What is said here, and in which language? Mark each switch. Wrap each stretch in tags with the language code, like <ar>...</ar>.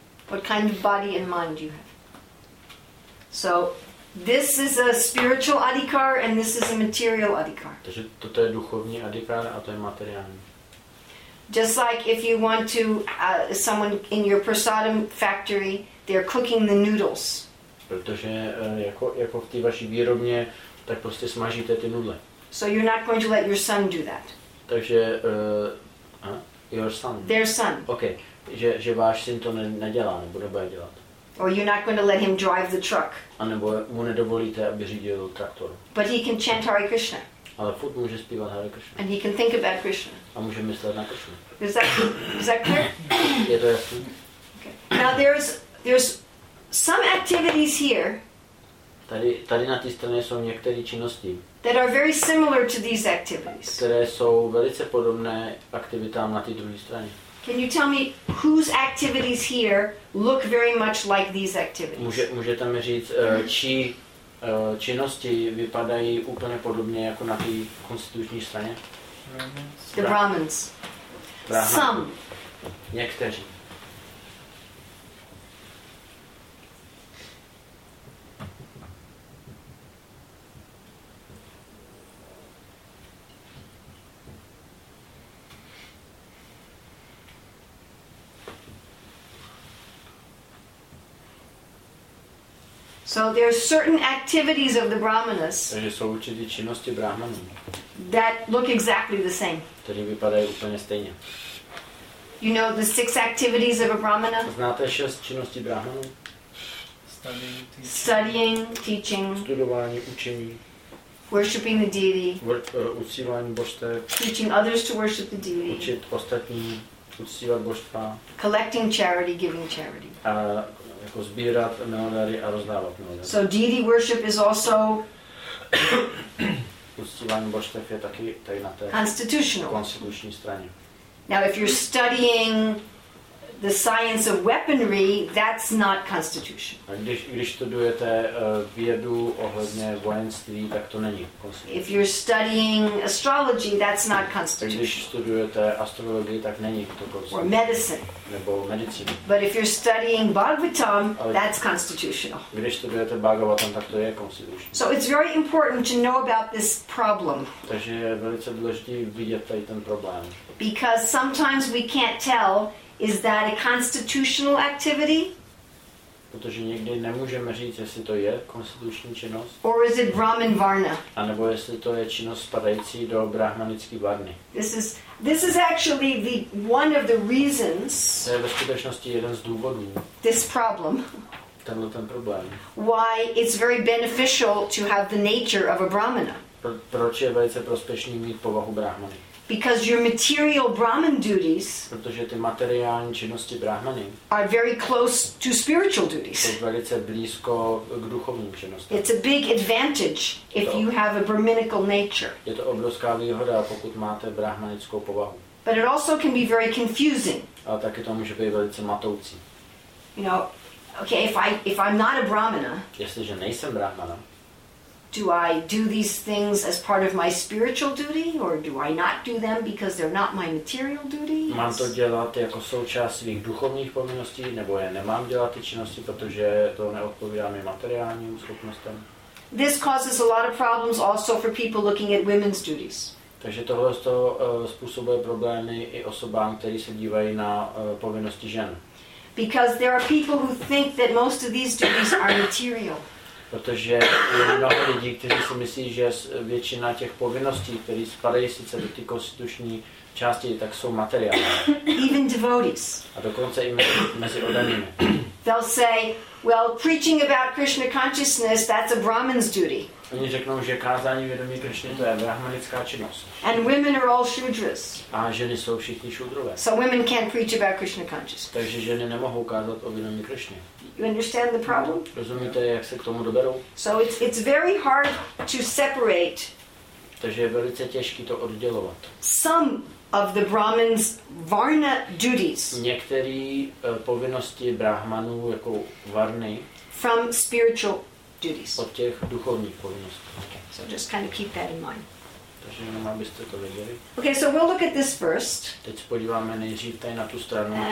<en>What kind of body and mind do you have? So, this is a spiritual adhikar and this is a material adhikar.</en> <cs>Takže toto je duchovní adhikar a to je materiální.</cs> <en>Just like if you want to someone in your prasadam factory, they're cooking the noodles.</en> <cs>Protože jako v té vaší výrobně, tak prostě smažíte ty nudle.</cs> <en>So you're not going to let your son do that.</en> <cs>Takže</cs> <en>your son. Their son. Okay.</en> <cs>Že váš syn to nedělá, nebude dělat.</cs> <en>Or you're not going to let him drive the truck.</en> <cs>A nebo mu nedovolíte, aby řídil traktor.</cs> <en>But he can chant Hare Krishna.</en> <cs>Ale furt může zpívat Hare Krishna.</cs> <en>And he can think about Krishna.</en> <cs>A může myslet na Krishna.</cs> <en>Is that clear?</en> <cs>Je to jasný.</cs> <en>Okay. Now there's some activities here.</en> <cs>Tady na té straně jsou některé činnosti.</cs> <en>That are very similar to these activities.</en> <cs>Které jsou velice podobné aktivitám na té druhé straně.</cs> <en>Can you tell me whose activities here look very much like these activities?</en> <cs>Můžete mi říct, čí činnosti vypadají úplně podobně jako na té konstituční straně?</cs> <en>The Brahmins. Brahmins. Some.</en> <cs>Někteří.</cs> <en>So there are certain activities of the brahmanas.</en> <cs>Takže jsou určité činnosti brahmanů.</cs> <en>That look exactly the same.</en> <cs>Které vypadají úplně stejně.</cs> <en>You know the six activities of a brahmana?</en> <cs>Znáte šest činností brahmanů?</cs> <en>Studying, teaching.</en> <cs>Studování, učení.</cs> <en>Worshipping the deity.</en> <cs>Uctívání božstev.</cs> <en>Teaching others to worship the deity.</en> <cs>Učit ostatní uctívat božstva.</cs> <en>Collecting charity, giving charity.</en> <cs>A jako sbírat milodary a rozdávat milodary.</cs> <en>So deity worship is also</en> <cs>uctívání božstev je taky tady na té konstituční straně.</cs> <en>Now if you're studying the science of weaponry, that's not constitution.</en> <cs>A když studujete vědu ohledně vojenství, tak to není konstitution.</cs> <en>If you're studying astrology, that's not constitution.</en> <cs>A když studujete astrologii, tak není to konstitution.</cs> <en>Or medicine.</en> <cs>Nebo medicínu.</cs> <en>But if you're studying Bhagavatam, that's constitutional.</en> <cs>Když studujete Bhagavatam, tak to je constitution.</cs> <en>So it's very important to know about this problem.</en> <cs>Takže je velice důležité vidět tady ten problém.</cs> <en>Because sometimes we can't tell. Is that a constitutional activity?</en> <cs>Protože někdy nemůžeme říct, jestli to je konstituční činnost.</cs> <en>Or is it Brahman Varna?</en> <cs>A nebo jestli to je činnost spadající do brahmanické varny.</cs> <en>This is actually the one of the reasons.</en> <cs>To je ve skutečnosti jeden z důvodů.</cs> <en>This problem.</en> <cs>Tenhle ten problém.</cs> <en>Why it's very beneficial to have the nature of a brahmana.</en> <cs>Proč je velice prospěšný mít povahu brahmany?</cs> <en>Because your material Brahman duties,</en> <cs>protože ty materiální činnosti brahmany,</cs> <en>are very close to spiritual duties.</en> <cs>Jsou velice blízko k duchovním činnostem.</cs> <en>It's a big advantage if you have a brahminical nature.</en> <cs>Je to obrovská výhoda, pokud máte brahmanickou povahu.</cs> <en>But it also can be very confusing.</en> <cs>A taky to může být velice matoucí.</cs> <en>You know, okay, if I'm not a brahmana.</en> <cs>Jestliže nejsem brahmana.</cs> <en>Do I do these things as part of my spiritual duty, or do I not do them because they're not my material duty?</en> <cs>Mám to dělat jako součást svých duchovních povinností, nebo je nemám dělat ty činnosti, protože to neodpovídá mým materiálním schopnostem?</cs> <en>This causes a lot of problems also for people looking at women's duties.</en> <cs>Takže tohle to způsobuje problémy i osobám, kteří se dívají na povinnosti žen.</cs> <en>Because there are people who think that most of these duties are material.</en> <cs>Protože je mnoho lidí, kteří si myslí, že většina těch povinností, které spadají sice do ty konstituční části, tak jsou materiální.</cs> <en>Even devotees.</en> <cs>A dokonce i mezi oddanými.</cs> <en>They'll say, well, preaching about Krishna consciousness, that's a Brahman's duty.</en> <cs>Oni řeknou, že kázání vědomí Krishny to je brahmanická činnost.</cs> <en>And women are all shudras.</en> <cs>A ženy jsou všichni šudrové.</cs> <en>So women can't preach about Krishna consciousness.</en> <cs>Takže ženy nemohou kázat o vědomí Krishny.</cs> <en>You understand the problem?</en> <cs>Rozumíte, jak se k tomu doberou?</cs> <en>So it's very hard to separate.</en> <cs>Takže je velice těžké to oddělovat.</cs> <en>Some of the Brahman's varna duties.</en> <cs>Některé povinnosti brahmanů jako varny.</cs> <en>From spiritual duties.</en> <cs>Od těch duchovních povinností.</cs> <en>Okay, so just kind of keep that in mind.</en> <cs>Takže jenom abyste to věděli.</cs> <en>Okay, so we'll look at this first.</en> <cs>Teď podíváme nejdřív tady na tu stranu.</cs>